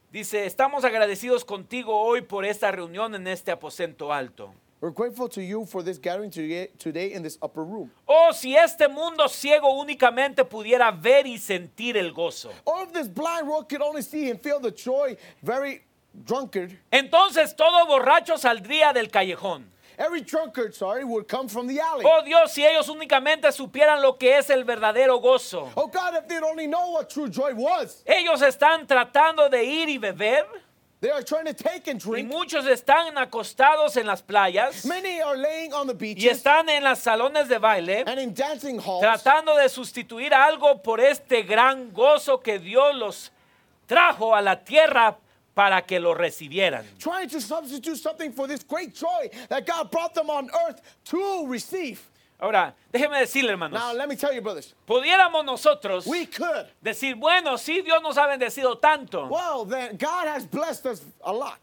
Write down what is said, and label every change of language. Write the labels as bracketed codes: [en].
[es] Dice, estamos agradecidos contigo hoy por esta reunión en este aposento alto. [en] We're grateful to you for this gathering today in this upper room. [es] Oh, si este mundo ciego únicamente pudiera ver y sentir el gozo. [en] Or if this blind world could only see and feel the joy very drunkard. [es] Entonces todo borracho saldría del callejón. [en] Every drunkard, sorry, would come from the alley. [es] Oh Dios, si ellos únicamente supieran lo que es el verdadero gozo. [en] Oh God, if they'd only know what true joy was. [es] Ellos están tratando de ir y beber. [en] They are trying to take and drink. [es] Y muchos están acostados en las playas. [en] Many are laying on the beaches. [es] Y están en los salones de baile. [en] And in dancing halls. [es] Tratando de sustituir algo por este gran gozo que Dios los trajo a la tierra para que lo recibieran. [en] Trying to substitute something for this great joy that God brought them on earth to receive. [es] Ahora, déjeme decirle, hermanos. [en] Now, let me tell you, brothers. [es] Pudiéramos nosotros [en] we could [es] decir, bueno, sí, Dios nos ha bendecido tanto. [en] Well, then, God has blessed us a lot.